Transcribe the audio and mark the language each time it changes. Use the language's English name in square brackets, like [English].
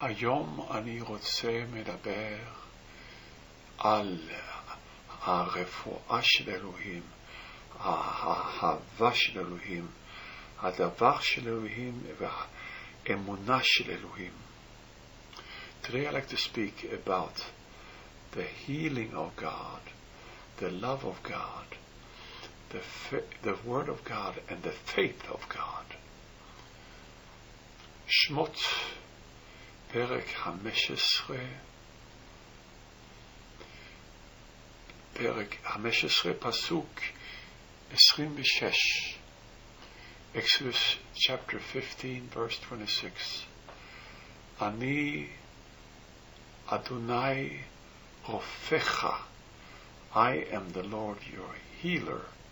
[Hebrew] היום אני רוצה מדבר על הרפואה של אלוהים, האהבה של אלוהים, הדבר של אלוהים והאמונה של אלוהים. [English] Today I'd like to speak about the healing of God, the love of God, the word of God and the faith of God. [Hebrew] Shmot פרק 15 פסוק 26 [English] Exodus chapter 15 verse 26 [Hebrew] אני אדוני רופאך [English] I am the Lord your healer